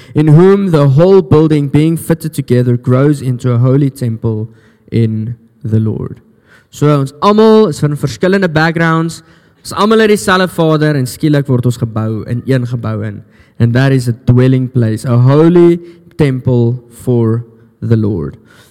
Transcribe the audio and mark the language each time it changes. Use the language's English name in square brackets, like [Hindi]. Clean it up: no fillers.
[English] In whom the whole building being fitted together grows into a holy temple in the Lord. [Afrikaans] So ons almal is van verskillende backgrounds, is almal uit dieselfde Vader en skielik word ons gebou in een gebou in. [English] And that is a dwelling place, a holy temple for the Lord.